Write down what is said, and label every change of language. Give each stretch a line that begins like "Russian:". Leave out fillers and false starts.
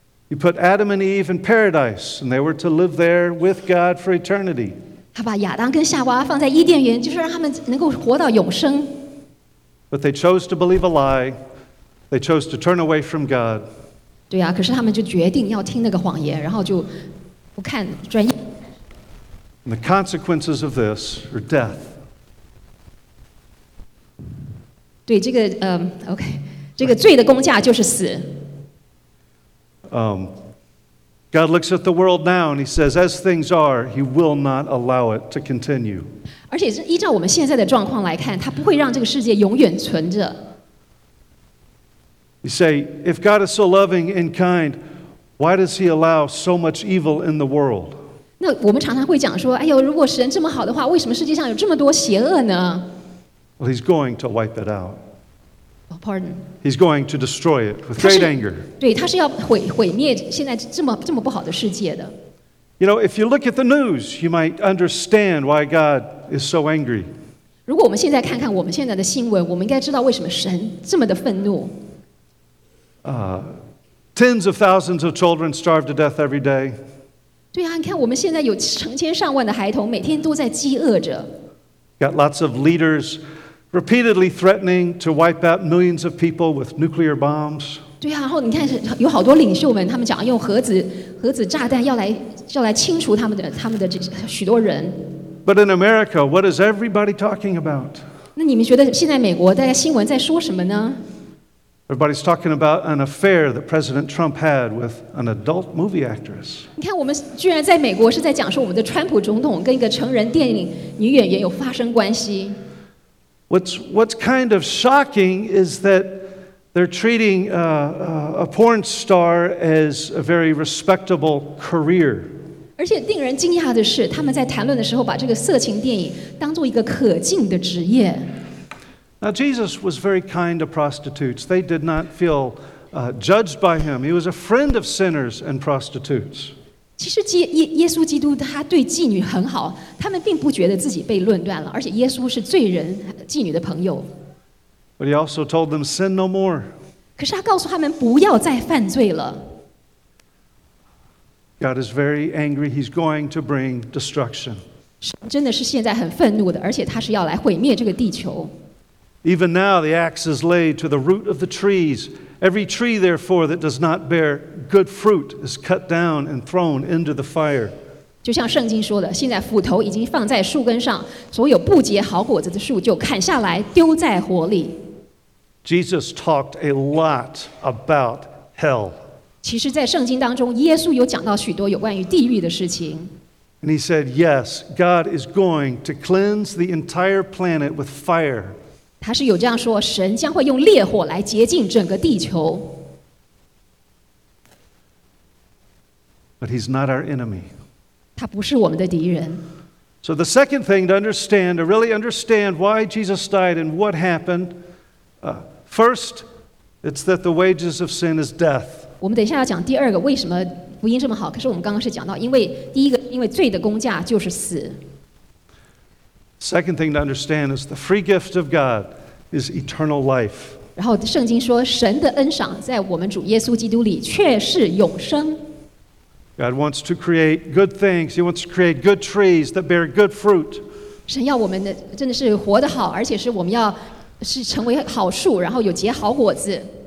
English: He put Adam and Eve in paradise, and they were to live there with God for eternity.
Chinese: 他把亚当跟夏娃放在伊甸园，就是让他们能够活到永生。
English: But they chose to believe a lie. They chose to turn away from God.
Chinese: 对啊，可是他们就决定要听那个谎言，然后就不看专业。
English: The consequences of this are death.
Chinese: 对，这个OK， 这个罪的工价就是死。
English: God looks at the world now and he says, as things are, he will not allow it to continue.
Chinese: 而且依照我们现在的状况来看，他不会让这个世界永远存着。
English: You say, if God is so loving and kind, why does he allow so much evil in the world?
Chinese: 那我们常常会讲说，哎呦，如果神这么好的话，为什么世界上有这么多邪恶呢？
English: Well, he's going to wipe it out. Oh, pardon. He's going to destroy it with great anger.
Chinese: 对，他是要毁灭现在这么不好的世界的。
English: You know, if you look at the news, you might understand why God is so angry.
Chinese: 如果我们现在看看我们现在的新闻，我们应该知道为什么神这么的愤怒。
English: Tens of thousands of children starve to death every day.
Chinese: 对啊，你看我们现在有成千上万的孩童每天都在饥饿着。
English: Got lots of leaders repeatedly threatening to wipe out millions of people with nuclear bombs.
Chinese: 对啊，然后你看有好多领袖们，他们讲要用核子炸弹要来清除他们的许多人。
English: But in America, what is everybody talking about?
Chinese: 那你们觉得现在美国大家新闻在说什么呢？
English: Everybody's talking about an affair that President Trump had with an adult movie actress.
Chinese: 你看，我们居然在美国是在讲说我们的川普总统跟一个成人电影女演员有发生关系。
English: What's kind of shocking is that they're treating a porn star as a very respectable career.
Chinese: 而且令人惊讶的是，他们在谈论的时候把这个色情电影当做一个可敬的职业。
English: Now Jesus was very kind to prostitutes. They did not feel judged by him. He was a friend of sinners and prostitutes.
Chinese: 其实耶稣基督他对妓女很好，他们并不觉得自己被论断了，而且耶稣是罪人妓女的朋友。
English: But he also told them sin no more.
Chinese: 可是他告诉他们不要再犯罪了。
English: God is very angry. He's going to bring destruction.
Chinese: 神真的是现在很愤怒的，而且他是要来毁灭这个地球。
English: Even now, the axe is laid to the root of the trees. Every tree, therefore, that does not bear good fruit is cut down and thrown into the fire.
Chinese: 就像圣经说的，现在斧头已经放在树根上，所有不结好果子的树就砍下来，丢在火里。
English: Jesus talked a lot about hell.
Chinese: 其实，在圣经当中，耶稣有讲到许多有关于地狱的事情。
English: And he said, "Yes, God is going to cleanse the entire planet with fire."
Chinese: 他是有这样说，神将会用烈火来洁净整个地球。
English: But he's not our enemy.
Chinese: 他不是我们的敌人。
English: So the second thing to understand, to really understand why Jesus died and what happened, first, it's that the wages of sin is death.
Chinese: 我们等一下要讲第二个，为什么福音这么好？可是我们刚刚是讲到，因为第一个，因为罪的工价就是死。
English: Second thing to understand is the free gift of God is eternal life.
Chinese: 然后圣经说，神的恩赏在我们主耶稣基督里却是永生。
English: God wants to create good things. He wants to create good trees that bear good fruit.
Chinese: 神要我们的真的是活得好，而且是我们要是成为好树，然后有结好果子。